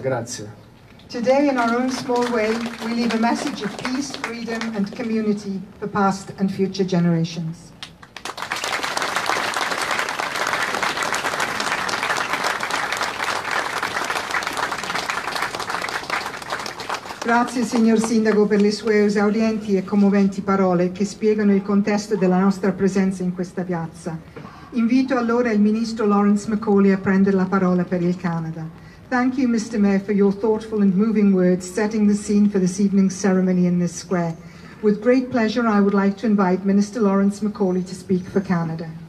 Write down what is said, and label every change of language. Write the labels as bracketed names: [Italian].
[Italian] Grazie. [English] Today, in our own small way, we leave a message of peace, freedom and community for past and future generations. [Italian] Grazie, signor Sindaco, per le sue esaudienti e commoventi parole che spiegano il contesto della nostra presenza in questa piazza. Invito allora il ministro Lawrence McAuley a prendere la parola per il Canada. [English] Thank you, Mr. Mayor, for your thoughtful and moving words setting the scene for this evening's ceremony in this square. With great pleasure, I would like to invite Minister Lawrence McAuley to speak for Canada.